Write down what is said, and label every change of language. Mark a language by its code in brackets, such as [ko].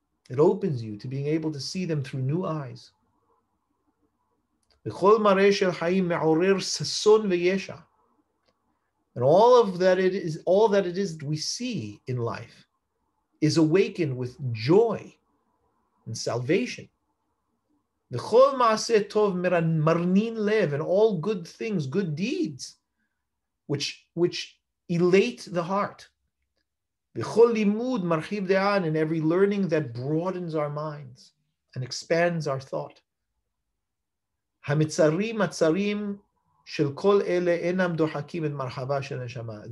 [en] It opens you to being able to see them through new eyes. [he] וכל מראה של חיים מעורר ססון וישע. [en] And all that it is that we see in life is awakened with joy and salvation. [he] וכל מעשה טוב מרנין לב, [en] and all good things, good deeds, which elate the heart. [he] וכל לימוד מרחיב דעה, [en] and every learning that broadens our minds and expands our thought. [he] המצרים הצרים של כל אלה אינם דוחקים את מרחבה של הנשמה.